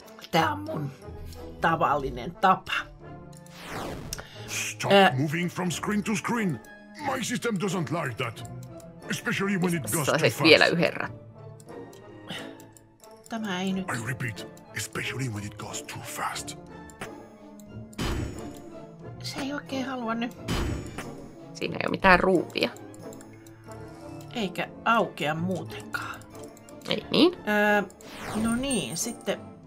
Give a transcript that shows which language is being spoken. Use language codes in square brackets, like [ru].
[fi] Tämä on mun tavallinen tapa. [en] Stop moving from screen to screen. My system doesn't like that. Especially when it goes too fast. [fi] Vielä yhden Tämä ei nyt. [en] I repeat, especially when it goes too fast. [fi] Se ei oikein halua nyt. Siinä ei ole mitään ruuvia. Eikä aukea muutenkaan. Ei niin. No niin, sitten.